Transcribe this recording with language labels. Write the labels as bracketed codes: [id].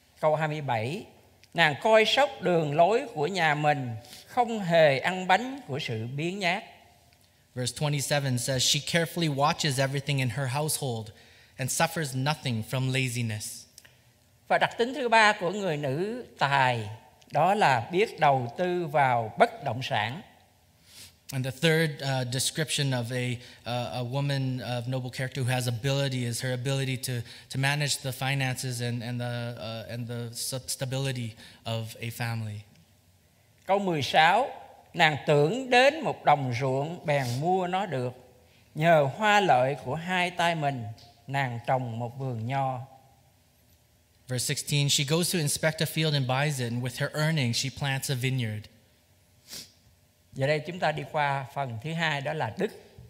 [vi] Câu 27, nàng coi sóc đường lối của nhà mình, không hề ăn bánh của sự biến nhát. [en] Verse 27 says, she carefully watches everything in her household and suffers nothing from laziness. [vi] Và đặc tính thứ ba của người nữ tài, đó là biết đầu tư vào bất động sản. [en] And the third description of a woman of noble character who has ability is her ability to manage the finances and the stability of a family. [vi] Câu 16, nàng tưởng đến một đồng ruộng bèn mua nó được. Nhờ hoa lợi của hai tay mình, nàng trồng một vườn nho. [en] Verse 16, she goes to inspect a field and buys it, and with her earnings she plants a vineyard. [vi] Giờ đây chúng ta đi qua phần thứ hai, đó là đức.